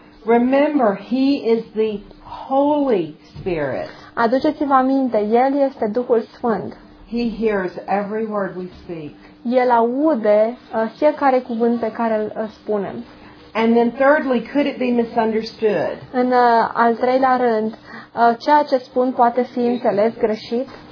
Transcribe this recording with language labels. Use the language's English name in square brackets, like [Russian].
[English] "Remember, He is the Holy Spirit." [Romanian] Aduceți-vă aminte, El este Duhul Sfânt. [English] "He hears every word we speak." [Romanian] El aude fiecare cuvânt pe care îl spunem. [English] And then thirdly, could it be misunderstood? [Romanian] În al treilea rând, ceea ce spun poate fi înțeles greșit?